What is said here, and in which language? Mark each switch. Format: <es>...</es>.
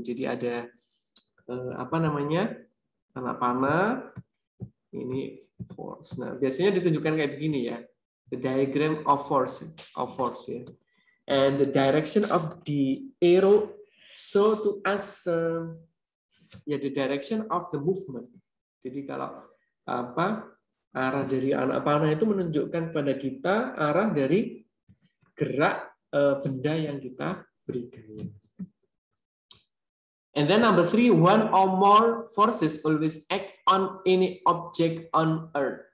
<id>Jadi ada anak panah. Ini force. Nah, biasanya ditunjukkan kayak begini ya.</id> <en>The diagram of force. Of force,</en> <id>ya.</id> <en>And the direction of the arrow show to us the direction of the movement.</en> <id>Jadi kalau arah dari anak panah itu menunjukkan pada kita arah dari gerak benda yang kita berikan.</id> <en>And then number three, one or more forces always act on any object on earth.</en>